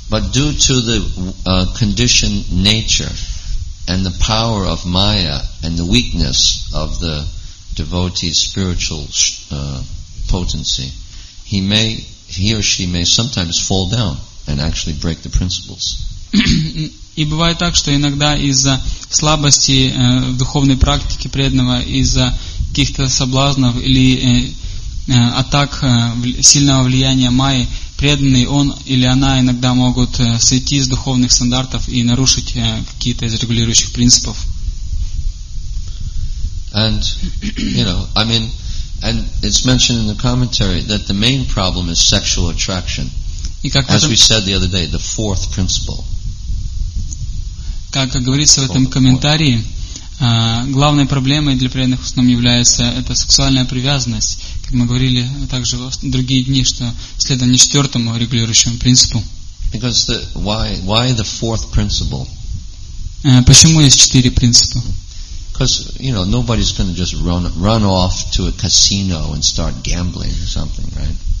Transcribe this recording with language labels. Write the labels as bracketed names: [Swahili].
[English] But due to the conditioned nature and the power of Maya and the weakness of the devotee's spiritual potency, he or she may sometimes fall down and actually break the principles. [Russian] И бывает так, что иногда из-за слабости в духовной практике преданного, из-за каких-то соблазнов или атак сильного влияния майи, преданный он или она иногда могут сойти с духовных стандартов и нарушить какие-то из регулирующих принципов. [English] And, you know, I mean, and it's mentioned in the commentary that the main problem is sexual attraction. As we said the other day, the fourth principle. [Russian] Как говорится в этом комментарии, главной проблемой для преданных в основном является это сексуальная привязанность, как мы говорили также в другие дни, что следование четвертому регулирующему принципу. [English] Because the why the fourth principle? [Russian] Почему есть четыре принципа? [English] Because, you know, nobody's going to just run off to a casino and start gambling or something, right?